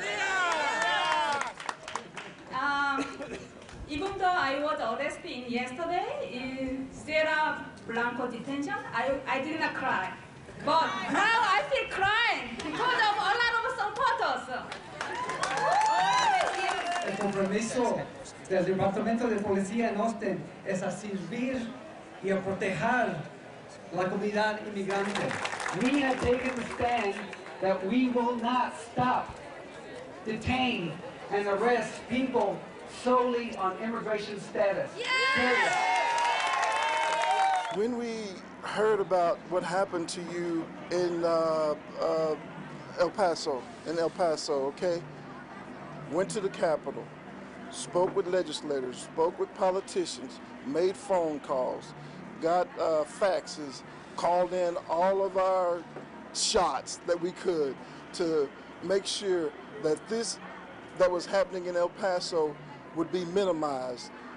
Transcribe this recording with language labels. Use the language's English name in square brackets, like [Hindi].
[Spanish] Yeah. Buenos días, todos. Buenos días. [English] Even though I was arrested yesterday in Sierra Blanco detention, I did not cry. But now I feel crying because of a lot of supporters. [Spanish] El compromiso del Departamento de Policía en Austin es a servir y a proteger la comunidad inmigrante. [English] We have taken the stand that we will not stop, detain, and arrest people solely on immigration status. Yes! When we heard about what happened to you in El Paso, okay, went to the Capitol, spoke with legislators, spoke with politicians, made phone calls, got faxes, called in all of our shots that we could to make sure that this that was happening in El Paso would be minimized.